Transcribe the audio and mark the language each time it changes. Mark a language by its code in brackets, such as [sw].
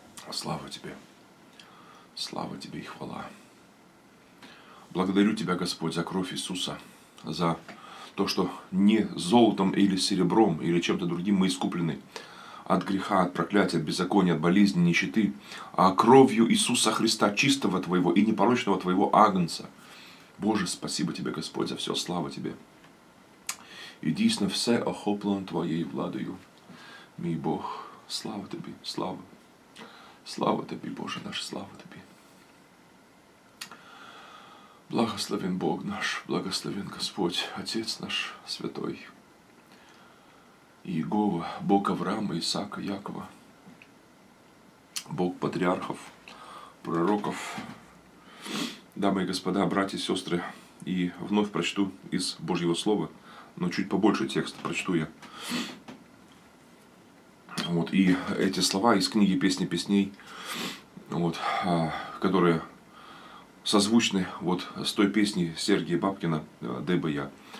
[ru] Слава Тебе и хвала. Благодарю Тебя, Господь, за кровь Иисуса, за то, что не золотом или серебром, или чем-то другим мы искуплены от греха, от проклятия, от беззакония, от болезни, нищеты, а кровью Иисуса Христа, чистого Твоего и непорочного Твоего Агнца. Боже, спасибо Тебе, Господь, за все, слава Тебе. [uk] И дійсно все охоплено Твоєю владою, мій Бог. Слава Тобі, слава. Слава Тобі, Боже наш, слава Тобі. [ru] Благословен Бог наш, благословен Господь, Отець наш святой. [uk] Єгова, Бог Авраама, Ісака, Якова. Бог патріархов, пророков. [ru] Дамы и господа, братья и сестры, и вновь прочту из Божьего Слова, но чуть побольше текста прочту я. Вот, и эти слова из книги «Песни песней», вот, которые созвучны вот с той песней Сергея Бабкина «Дай бы я».